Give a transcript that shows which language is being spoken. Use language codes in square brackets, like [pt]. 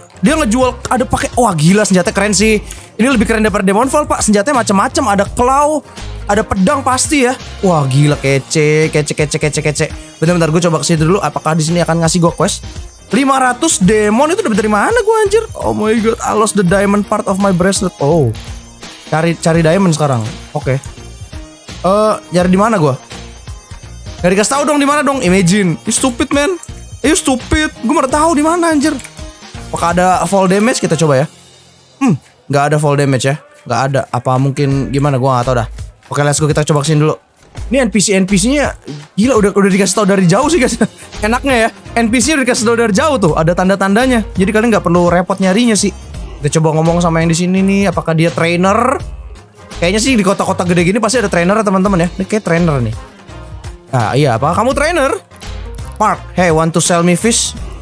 [id] Dia ngejual, ada pakai. Wah, gila, senjatanya keren sih. Ini lebih keren daripada Demon Fall, Pak. Senjatanya macam-macam. Ada claw, ada pedang pasti ya. Wah, gila, kece. Bentar, gue coba kesitu dulu. Apakah di sini akan ngasih gue quest? 500 demon itu dapat dari mana gue anjir? [en] Oh my god, I lost the diamond part of my bracelet. [id] Oh, cari diamond sekarang. Oke. Okay. Cari di mana gue? Cari kasih tahu dong di mana dong. [en] Imagine, you stupid man. You stupid. [id] Gue mana tahu di mana anjir? Apakah ada fall damage? Kita coba ya. Gak ada fall damage ya? Gak ada. Apa mungkin gimana? Gue nggak tahu dah. Oke, okay, [en] let's go, [id] kita coba kesini dulu. Ini NPC-NPC-nya gila, udah dikasih tahu dari jauh sih guys. Enaknya ya, NPC-nya dikasih tahu dari jauh tuh, ada tanda-tandanya. Jadi kalian nggak perlu repot nyarinya sih. Kita coba ngomong sama yang di sini nih, apakah dia trainer? Kayaknya sih di kota-kota gede gini pasti ada trainer teman-teman ya. Ini kayak trainer nih. Ah iya, apakah kamu trainer? [en] Mark, hey, want to sell me fish?